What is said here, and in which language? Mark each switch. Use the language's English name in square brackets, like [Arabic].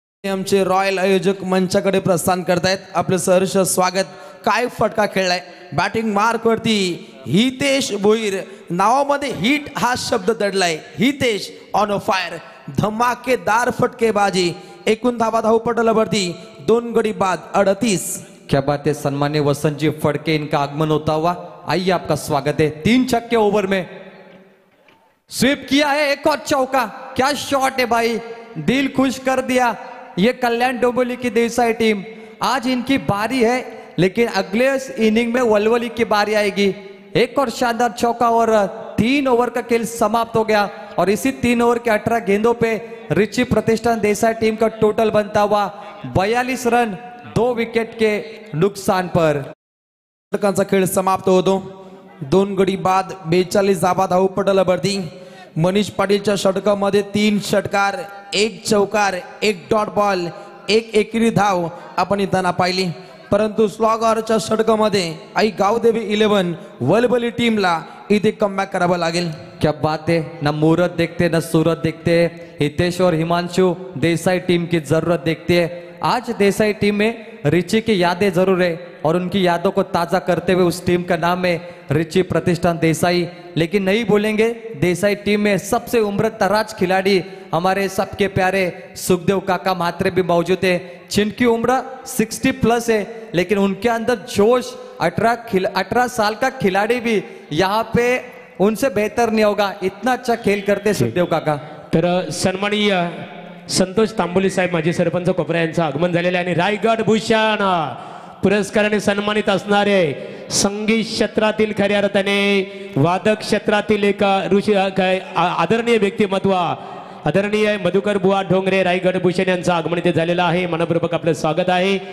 [Marathi] आमचे रॉयल आयोजक मंचाकडे प्रस्थान करतायत, आपले सहर्ष स्वागत। काय फटका खेळलाय, बॅटिंग मार्क वरती हितेश भोईर, नावामध्ये हिट हा शब्द दडलाय, [English] Hitesh on a fire, [Marathi] धमाकेदार फटकेबाजी, एकूण धावा धावपटल वरती 2 गडी बाद 38। [Hindi] क्या बात है सन्मान्य वसंतजी फडके, इनका आगमन होता हुआ, आइए आपका स्वागत है। 3 छक्के ओवर में स्वीप किया है, एक और चौका, क्या शॉट है भाई, दिल खुश कर दिया। ये कल्याण डोंबिवली की देसाई टीम, आज इनकी बारी है लेकिन अगले इनिंग में वलवली की बारी आएगी। एक और शानदार चौका और 3 ओवर का खेल समाप्त हो गया और इसी 3 ओवर के 18 गेंदों पे रिची प्रतिष्ठान देसाई टीम का टोटल बनता हुआ 42 रन 2 विकेट के नुकसान पर। [Marathi] खेल समाप्त हो दो 2 गड़ी बाद 42 धावपटल बढ़ती। मनीष पाटीलच्या षटकामध्ये 3 षटकार 1 चौकार 1 डॉट बॉल 1 एकेरी धाव आपण इतना पाहिली, परंतु स्लॉगरच्या षटकामध्ये आई गावदेवी 11 वलबली टीमला इथे कमबॅक करावा लागेल। [Hindi] क्या बात है, ना मुहूर्त देखते ना सूरत देखते, हितेश और हिमांशु देसाई टीम की जरूरत देखते है। आज देसाई टीम में रिची की यादें जरूर है और उनकी यादों को ताजा करते हुए उस टीम का नाम है रिची प्रतिष्ठान देसाई, लेकिन नहीं बोलेंगे देसाई टीम में सबसे उम्र तराज खिलाड़ी हमारे सबके प्यारे सुखदेव काका मात्रे भी मौजूद है, जिनकी उम्र 60+ है लेकिन उनके अंदर जोश, 18 साल का खिलाड़ी भी यहाँ पे उनसे बेहतर नहीं होगा, इतना अच्छा खेल करते सुखदेव काका। [Marathi] तर सन्माननीय संतोष तांबोली साहेब माजी सरपंच कोपरा यांचं आगमन झालेलं आहे आणि रायगड भूषण पुरस्काराने सन्मानित असणारे संगीत क्षेत्रातील खऱ्या अर्थाने वादक क्षेत्रातील एक ऋषी आदरणीय व्यक्तिमत्व आदरणीय मधुकर बुवा ढोंगरे रायगड भूषण यांचं आगमन इथे झालेलं आहे, मनपूर्वक आपलं स्वागत आहे।